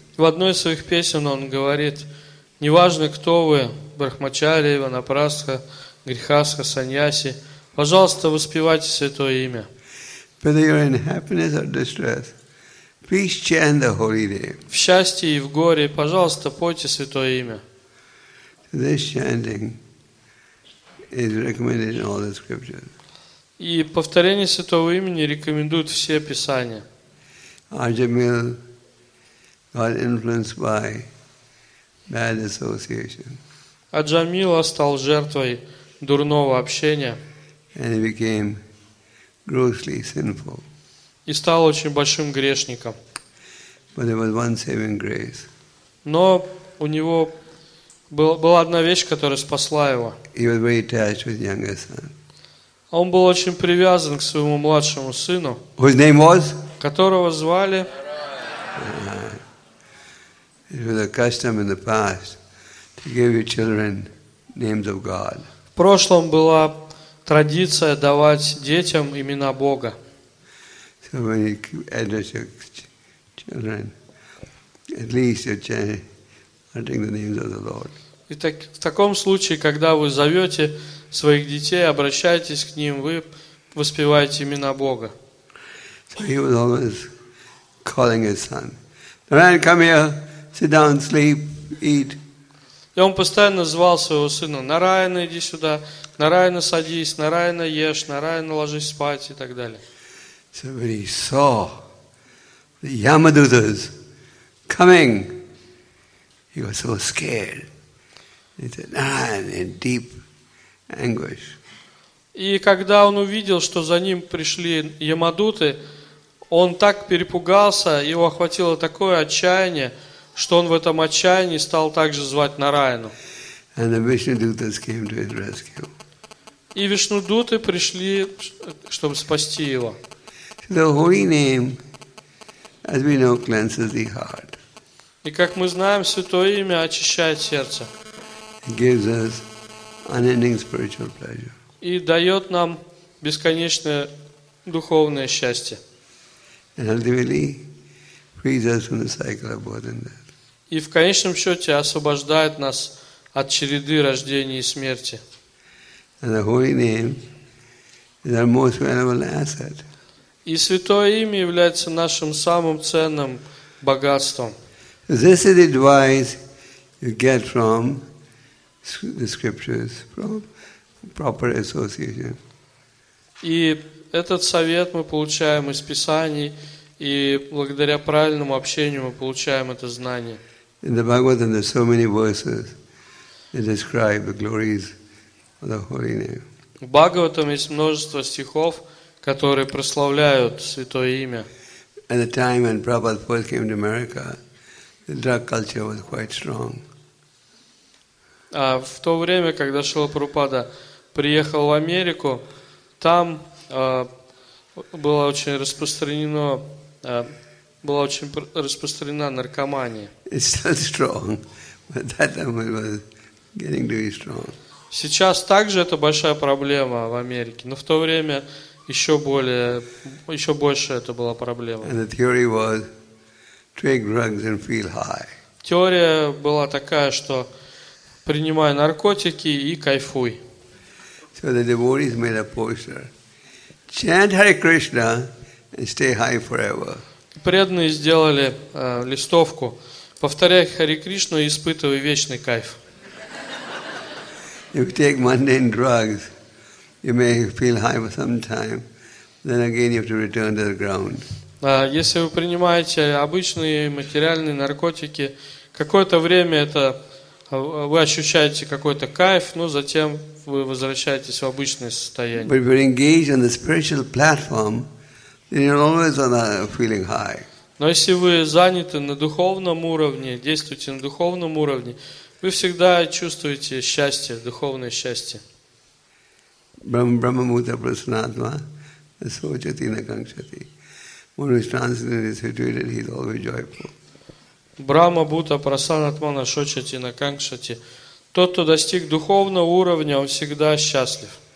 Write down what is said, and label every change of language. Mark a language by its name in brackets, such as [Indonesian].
[Russian] В одной из своих песен он говорит: неважно, кто вы, брахмачари, ванапрастха, грихастха, саньяси. Пожалуйста, воспевайте святое имя. [English] Whether you're in happiness or distress, please chant the holy name. [Russian] В счастье и в горе, пожалуйста, пойте святое имя. [English] This chanting is recommended in all the scriptures. [Russian] И повторение святого имени рекомендуют все писания. [English] Arjamil got influenced by bad association. [Russian] Аджамила стал жертвой дурного общения. [English] And he became grossly sinful. [Russian] И стал очень большим грешником. [English] But there was one saving grace. [Russian] Но у него была одна вещь, которая спасла его. [English] He was very attached with his younger son. [Russian] Он был очень привязан к своему младшему сыну, [English] whose name was? [Russian] Которого звали. [English] It was a custom in the past to give your children names of God. [Russian] В прошлом была традиция давать детям имена Бога. [English] So when you address your children, at least you're chanting the names of the Lord. [Russian] Итак, в таком случае, когда вы зовете своих детей, обращайтесь к ним, вы воспеваете имена Бога. [English] So he was always calling his son. Narayan, come here, sit down, sleep, eat. [Russian] И он постоянно звал своего сына: Нараяна, иди сюда, Нараяна, садись, Нараяна, ешь, Нараяна, ложись спать и так далее. [English] So when he saw the Yamadutas coming, he was so scared. He said, Narayana, in deep anguish. [Russian] И когда он увидел, что за ним пришли Ямадуты, он так перепугался, его охватило такое отчаяние, что он в этом отчаянии стал также звать Нараяну. [English] And the Vishnudutas came to his rescue. [Russian] И Вишнудуты пришли, чтобы спасти его. [English] The holy name, as we know, cleanses the heart. [Russian] И как мы знаем, святое имя очищает сердце. [English] It gives us unending spiritual pleasure. [Russian] И дает нам бесконечное духовное счастье. [English] And ultimately frees us from the cycle of birth and death. [Russian] И в конечном счете освобождает нас от череды рождения и смерти. [English] And the holy name is our most valuable asset. [Russian] И святое имя является нашим самым ценным богатством. [English] This is the advice you get from the scriptures, from proper association. [Russian] И этот совет мы получаем из Писаний, и благодаря правильному общению мы получаем это знание. [English] In the Bhagavatam there are so many verses that describe the glories of the holy name. [Russian] В Бхагаватам есть множество стихов, которые прославляют святое имя. [English] At the time when Prabhupada first came to America, the drug culture was quite strong. [Russian] А в то время, когда Шрила Прабхупада приехал в Америку, там было очень распространено была очень распространена наркомания. Сейчас также это большая проблема в Америке, но в то время еще больше это была проблема. [English] And the theory was, take drugs and feel high. [Russian] Теория была такая, что принимай наркотики и кайфуй. [English] So the devotees made a poster. Chant Hare Krishna and stay high forever. [Russian] Преданные сделали листовку: повторяй Хари Кришну и испытывай вечный кайф. [English] If you take mundane drugs, you may feel high for some time, then again you have to return to the ground. [Russian] Если вы принимаете обычные материальные наркотики, какое-то время это вы ощущаете какой-то кайф, но затем вы возвращаетесь в обычное состояние. [English] But if you're engaged on the spiritual platform, then you're always on a feeling high. [Russian] Но если вы заняты на духовном уровне, действуете на духовном уровне, вы всегда чувствуете счастье, духовное счастье. [Sanskrit] Brahma Muta Prasanatma Sochati Nakankshati. [English] One who is transcendent is situated, he's always joyful. [Sanskrit] Брама Бута Прасанатмана Шочати Накангшати. [Russian] Тот, кто достиг духовного уровня, он всегда счастлив.